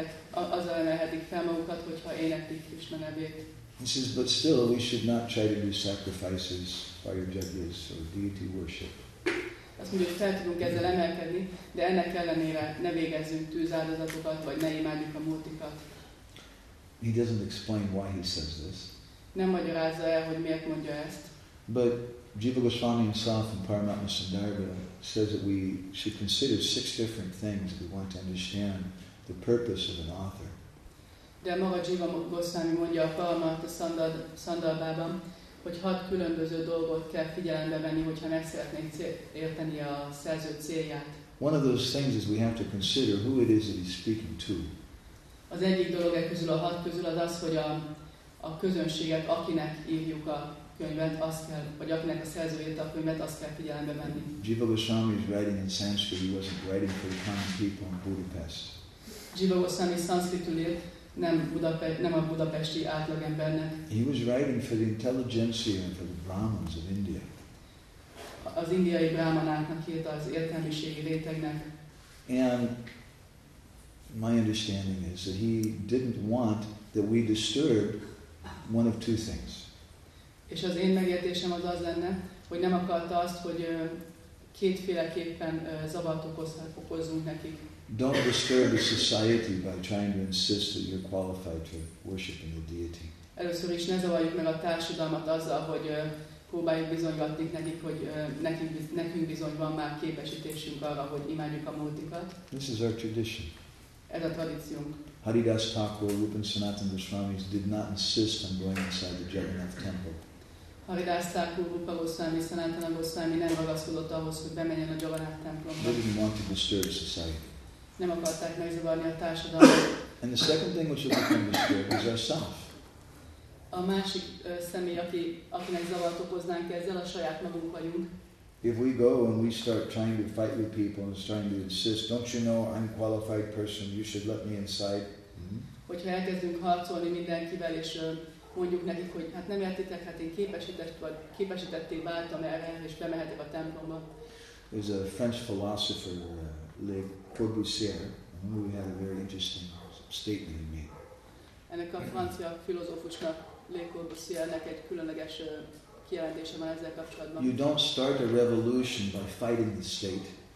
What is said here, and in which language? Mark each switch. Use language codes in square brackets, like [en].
[hu] Azzal emelhetik fel magukat, hogyha éneklik Krishna nevét. [en] He says, but still we should not try to do sacrifices, fire jagyas, or deity worship. [hu] Azt mondja, hogy fel tudunk ezzel emelkedni, de ennek ellenére ne végezzünk tűzáldozatokat, vagy ne imádjuk a múrtikat. [en] He doesn't explain why he says this. [hu] Nem magyarázza el, hogy miért mondja ezt. [en] But Jiva Goswami himself in Paramatma Sundarga says that we should consider six different things if we want to understand the purpose of an author. [hu] De maga Jiva Goswami mondja a Paramatma Sundarbában, hogy hat különböző dolgot kell figyelembe venni, hogyha meg szeretnénk érteni a szerző célját. [en] One of those things is we have to consider who it is that he's speaking to. [hu] Az egyik dolog közül, a hat közül az az, hogy a közönséget, akinek írjuk a könyvet, azt kell, vagy akinek a szerzőjét a könyvet, azt kell figyelembe venni. [en] Jiva Goswami is writing in Sanskrit, he wasn't writing for the common people in Budapest. [hu] Jiva Goswami szanszkritul írt, nem a budapesti átlagembernek. [en] He was writing for the intelligentsia and for the Brahmins of India. [hu] Az indiai brahmanáknak írta, az értelmiségi rétegnek. [en] And my understanding is that he didn't want that we disturb one of two things. [hu] És az én megértésem az lenne, hogy nem akarta azt, hogy kétféleképpen zavart okozzunk nekik. [en] Don't disturb the society by trying to insist that you're qualified to worship in the deity. [hu] Először is ne zavarjuk meg a társadalmat azzal, hogy próbáljuk bizonygatni nekik, hogy nekünk bizony van már képesítésünk arra, hogy imádjuk a múltikat. [en] This is our tradition. [hu] ez a tradíciónk. [en] Haridas Thakur, Rupa Sanatana Goswami did not insist on going inside the Jagannath temple. [hu] Haridas Thakur, Rupa Goswami, Sanatana Goswami nem ragaszkodott ahhoz, hogy bemenjen a Jagannath templomba. [en] They didn't want to disturb society. [hu] Nem akarták megzavarni a társadalmat. [en] And the second thing which will become disturbed is ourself. [hu] A másik személy, akinek zavart okoznánk ezzel, a saját magunk vagyunk. [en] If we go and we start trying to fight with people and starting to insist, don't you know I'm a qualified person, you should let me inside. [hu] Hogyha elkezdünk harcolni mindenkivel, és mondjuk nekik, hogy hát nem értitek, hát én képesített vagy képesítetté váltam erre, és bemehetek a templomba. [en] There's a French philosopher, Le Corbusier, who had a very interesting statement he made. [hu] Ennek a francia filozófusnak, Le Corbusiernek egy különleges kijelentése van ezzel kapcsolatban. [en] You don't start a revolution by fighting the state.